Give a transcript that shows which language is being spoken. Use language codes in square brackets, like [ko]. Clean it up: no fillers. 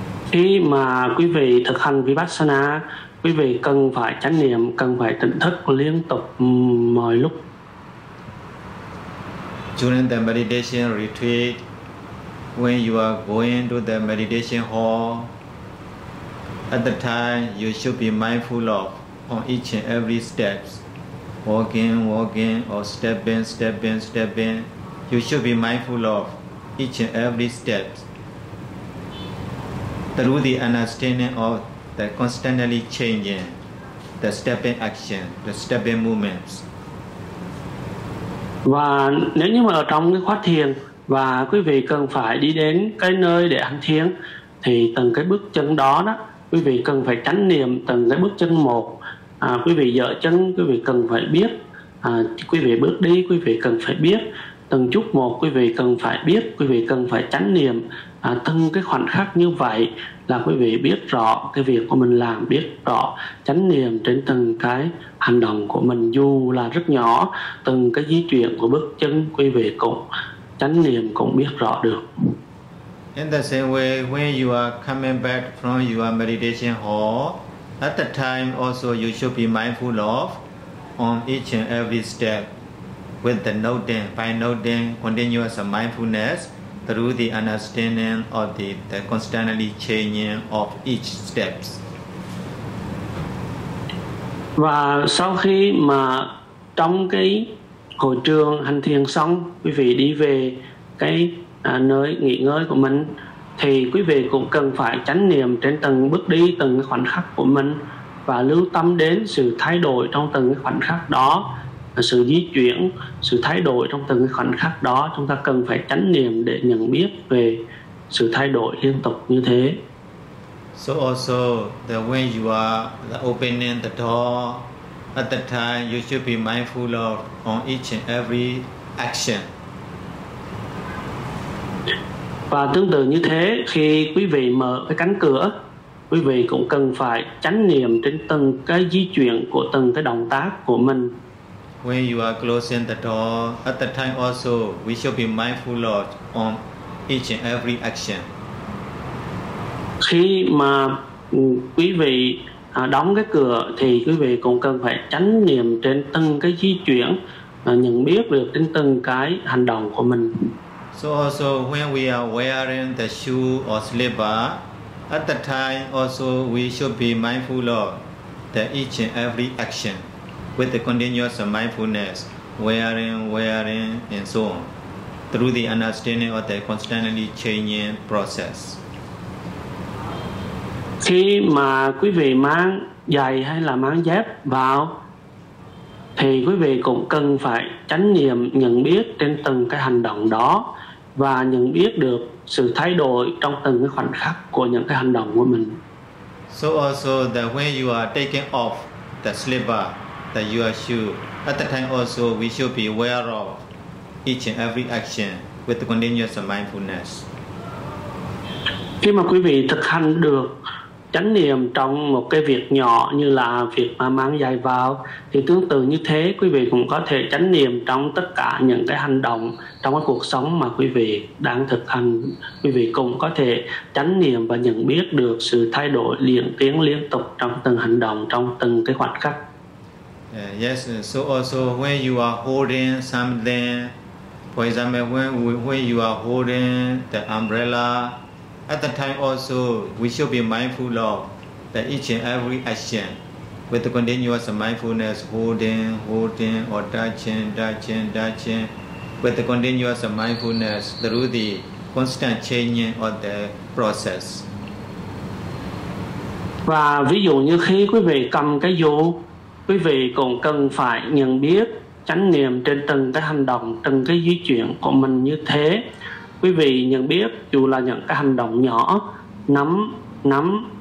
[vi] Khi mà quý vị thực hành Vipassana, quý vị cần phải chánh niệm, cần phải tỉnh thức liên tục mọi lúc. [en] During the meditation retreat, when you are going to the meditation hall, at the time you should be mindful of on each and every steps, walking, walking, or stepping, stepping, stepping. You should be mindful of each and every step through the understanding of the constantly changing, the stepping action, the stepping movements. [vi] Và nếu như mà ở trong cái khóa thiền và quý vị cần phải đi đến cái nơi để hành thiền thì từng cái bước chân đó đó quý vị cần phải chánh niệm từng cái bước chân một. À, quý vị dở chân quý vị cần phải biết, à, quý vị bước đi quý vị cần phải biết từng chút một, quý vị cần phải biết, quý vị cần phải chánh niệm từng cái khoảnh khắc như vậy, là quý vị biết rõ cái việc của mình làm, biết rõ chánh niệm trên từng cái hành động của mình, dù là rất nhỏ, từng cái di chuyển của bước chân quý vị cũng chánh niệm, cũng biết rõ được. [en] In the same way, when you are coming back from your meditation hall, at the time also you should be mindful of on each and every step with the noting, by noting continuous mindfulness through the understanding of the constantly changing of each steps. [vi] Và sau khi mà trong cái hội trường hành thiền xong, quý vị đi về cái nơi nghỉ ngơi của mình, thì quý vị cũng cần phải chánh niệm trên từng bước đi, từng khoảnh khắc của mình, và lưu tâm đến sự thay đổi trong từng khoảnh khắc đó, sự di chuyển, sự thay đổi trong từng khoảnh khắc đó, chúng ta cần phải chánh niệm để nhận biết về sự thay đổi liên tục như thế. [en] So also that when you are opening the door, at that time you should be mindful of on each and every action. [vi] Và tương tự như thế, khi quý vị mở cái cánh cửa, quý vị cũng cần phải chánh niệm trên từng cái di chuyển của từng cái động tác của mình. [en] When you are closing the door, at the time also, we should be mindful of on each and every action. [vi] Khi mà quý vị đóng cái cửa, thì quý vị cũng cần phải chánh niệm trên từng cái di chuyển, nhận biết được trên từng cái hành động của mình. [en] So also, when we are wearing the shoe or slipper, at the time also, we should be mindful of the each and every action with the continuous mindfulness, wearing, wearing, and so on, through the understanding of the constantly changing process. [vi] Khi mà quý vị mang giày hay là mang dép vào, thì quý vị cũng cần phải chánh niệm nhận biết trên từng cái hành động đó, và nhận biết được sự thay đổi trong từng cái khoảnh khắc của những cái hành động của mình. [en] So also that when you are taking off the slipper, that you are shoe, at the time also we should be aware of each and every action with continuous mindfulness. [vi] Khi mà quý vị thực hành được chánh niệm trong một cái việc nhỏ như là việc mà mang giày vào, thì tương tự như thế quý vị cũng có thể chánh niệm trong tất cả những cái hành động trong cái cuộc sống mà quý vị đang thực hành. Quý vị cũng có thể chánh niệm và nhận biết được sự thay đổi liên tiến liên tục trong từng hành động, trong từng cái khoảnh khắc. [en] Yes, so also when you are holding something, for example when you are holding the umbrella, at the time also, we should be mindful of the each and every action with the continuous mindfulness, holding, holding, or touching, touching, touching, with the continuous mindfulness through the constant changing of the process. [vi] Và ví dụ như khi quý vị cầm cái dù, quý vị cũng cần phải nhận biết, chánh niệm trên từng cái hành động, từng cái di chuyển của mình như thế. Quý vị nhận biết dù là những cái hành động nhỏ, nắm